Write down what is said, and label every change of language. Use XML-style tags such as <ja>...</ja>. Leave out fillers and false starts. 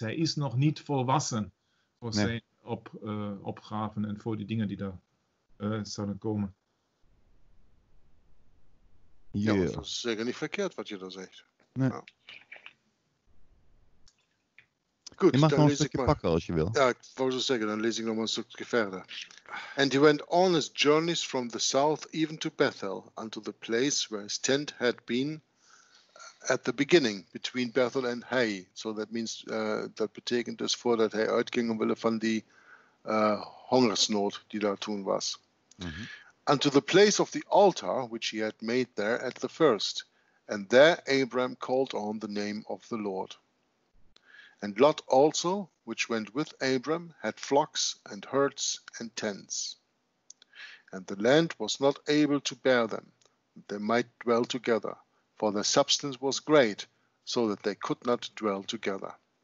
<nl>Hij is nog niet volwassen voor zijn opgaven en voor die dingen die daar... Ja, maar dat is zeker niet verkeerd wat je daar zegt. Nee. Goed, je mag nog een stukje pakken als je wil. Ja, ik wou zo zeggen, dan lees ik nog een stukje verder.</nl> <en>And he went on his journeys from the south even to Bethel, unto the place where his tent had been at the beginning, between Bethel and Hai. So that means,</en> <nl>dat betekent dus voordat hij uitging omwille van die hongersnood die daar toen was. Mm-hmm.</nl> <en>Unto the place of the altar, which he had made there at the first. And there Abram called on the name of the Lord. And Lot also, which went with Abram, had flocks and herds and tents. And the land was not able to bear them, that they might dwell together, for their substance was great, so that they could not dwell together.</en>